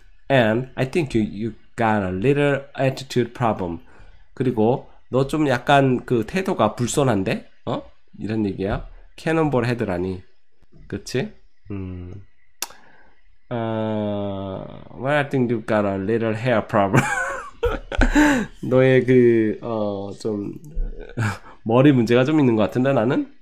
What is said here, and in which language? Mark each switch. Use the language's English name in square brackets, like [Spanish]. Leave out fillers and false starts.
[English] And I think you got a little attitude problem. [Korean] 그리고 너좀 약간 그 태도가 불손한데? 어? 이런 얘기야? Cannonball Head라니. 그치? [English] Well, I think you've got a little hair problem. [Korean] 너의 좀, 머리 문제가 좀 있는 것 같은데, 나는?